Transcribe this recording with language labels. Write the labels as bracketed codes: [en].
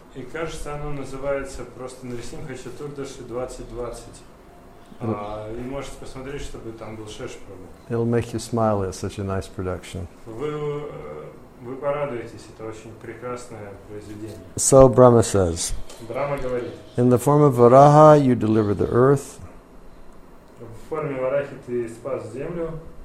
[ru] И кажется, оно называется просто Нарисимха Чатурдаши 2020. И можете посмотреть, чтобы там был Шеш Прабу. [en] It'll make you smile at such a nice production. [ru] Вы порадуетесь, это очень прекрасное произведение. [en] So Brahma says. [ru] Брама говорит. [en] In the form of Varaha, you deliver the earth. [ru] В форме Варахи ты спас землю.